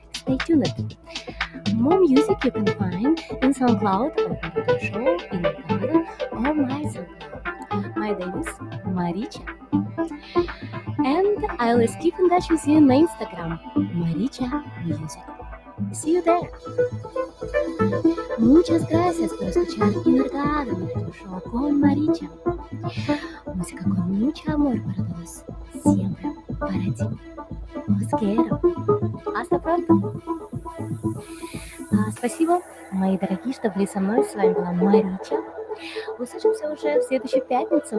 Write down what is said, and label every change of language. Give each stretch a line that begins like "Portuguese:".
English: Stay tuned. More music you can find in SoundCloud or radio show in the garden or my SoundCloud. My name is Maricha. And I always keep in touch with you on my Instagram, Maricha Music. See you there!
Spanish: Muchas gracias por escuchar Inner Garden Radio Show con Maricha. Música con mucho amor para todos, siempre para ti. Os quiero. Hasta pronto.
Russian: Спасибо, мои дорогие, что были со мной. С вами была Маричка. Услышимся уже в следующую пятницу.